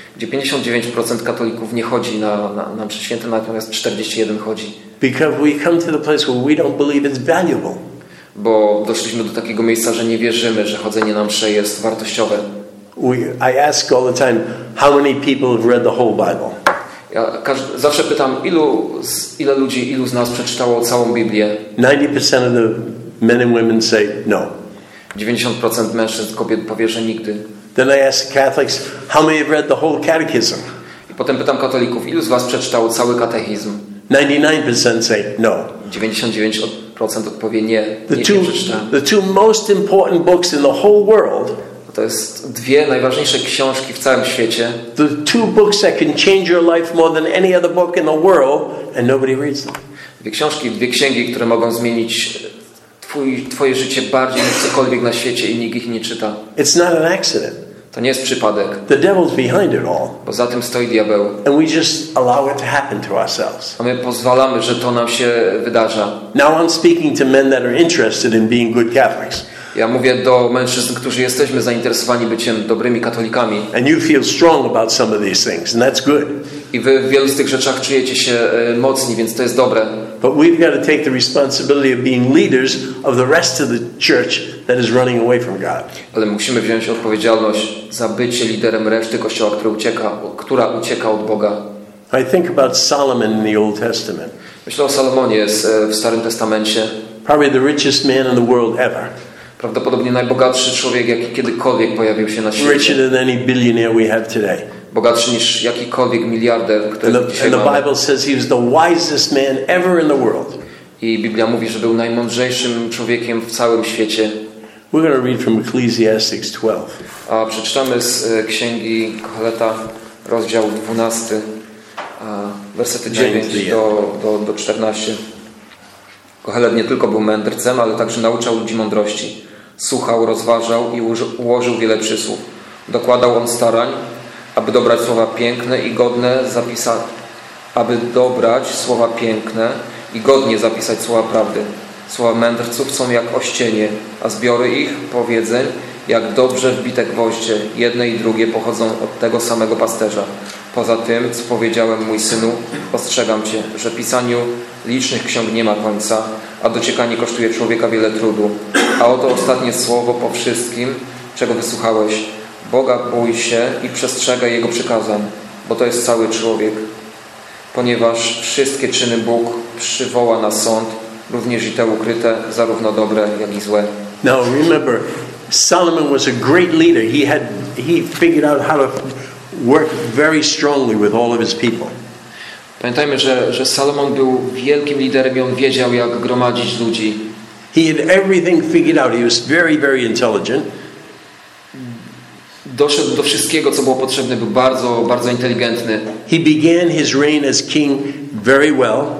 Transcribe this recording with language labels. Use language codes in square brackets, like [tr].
[pl] Gdzie 59% katolików nie chodzi na mszę świętą, natomiast 41% chodzi. [en] Because we come to the place where we don't believe it's valuable. [pl] Bo doszliśmy do takiego miejsca, że nie wierzymy, że chodzenie na mszę jest wartościowe. [en] I ask all the time, how many people have read the whole Bible? [pl] Ja zawsze pytam, ilu z nas przeczytało całą Biblię? [en] 90% of the men and women say no. [pl] 90% mężczyzn, kobiet powie, że nigdy. [en] Then I ask Catholics, how many have read the whole catechism? [pl] I potem pytam katolików, ilu z was przeczytało cały katechizm? [en] 99% say no. [pl] 99% odpowie nie. [en] The two most important books in the whole world. [pl] To jest dwie najważniejsze książki w całym świecie. [en] The two books that can change your life more than any other book in the world, and nobody reads them. [pl] Dwie księgi, które mogą zmienić twoje życie bardziej niż cokolwiek na świecie i nikt ich nie czyta. [en] It's not an accident. [pl] To nie jest przypadek. [en] The devil's behind it all. [pl] Bo za tym stoi diabeł. [en] And we just allow it to happen to ourselves. [pl] A my pozwalamy, że to nam się wydarza. [en] Now I'm speaking to men that are interested in being good Catholics. [pl] Ja mówię do mężczyzn, którzy jesteśmy zainteresowani byciem dobrymi katolikami. [en] And you feel strong about some of these things, and that's good. [pl] I wy w wielu z tych rzeczach czujecie się mocni, więc to jest dobre. [en] But we've got to take the responsibility of being leaders of the rest of the church that is running away from God. [pl] Ale musimy wziąć odpowiedzialność za bycie liderem reszty kościoła, która ucieka od Boga. [en] I think about Solomon in the Old Testament. [pl] Myślę o Salomonie w Starym Testamencie. [en] Probably the richest man in the world ever. [pl] Prawdopodobnie najbogatszy człowiek, jaki kiedykolwiek pojawił się na świecie. [en] Richer than any billionaire we have today. [pl] Bogatszy niż jakikolwiek miliarder, który dzisiaj mamy. [en] The Bible says he was the wisest man ever in the world. [pl] I Biblia mówi, że był najmądrzejszym człowiekiem w całym świecie. [en] We're going to read from Ecclesiastes 12. [pl] A przeczytamy z księgi Koheleta, rozdział 12, wersety 9 do 14. Kohelet nie tylko był mędrcem, ale także nauczał ludzi mądrości. Słuchał, rozważał i ułożył wiele przysłów. Dokładał on starań, aby dobrać słowa piękne i godne zapisać, aby dobrać słowa piękne i godnie zapisać słowa prawdy. Słowa mędrców są jak ościenie, a zbiory ich powiedzeń jak dobrze wbite gwoździe. Jedne i drugie pochodzą od tego samego pasterza. Poza tym, co powiedziałem mój synu, ostrzegam cię, że pisaniu licznych ksiąg nie ma końca, a dociekanie kosztuje człowieka wiele trudu. A oto ostatnie słowo po wszystkim, czego wysłuchałeś. Boga bój się i przestrzegaj Jego przykazań, bo to jest cały człowiek. Ponieważ wszystkie czyny Bóg przywoła na sąd, również i te ukryte, zarówno dobre, jak i złe. [en] Now remember, Solomon was a great leader. He figured out how to work very strongly with all of his people. [pl] Pamiętajmy, że Salomon był wielkim liderem i on wiedział, jak gromadzić ludzi. [en] He had everything figured out. He was very, very intelligent. [pl] doszedł do wszystkiego, co było potrzebne, był bardzo, bardzo inteligentny. [en] He began his reign as king very well.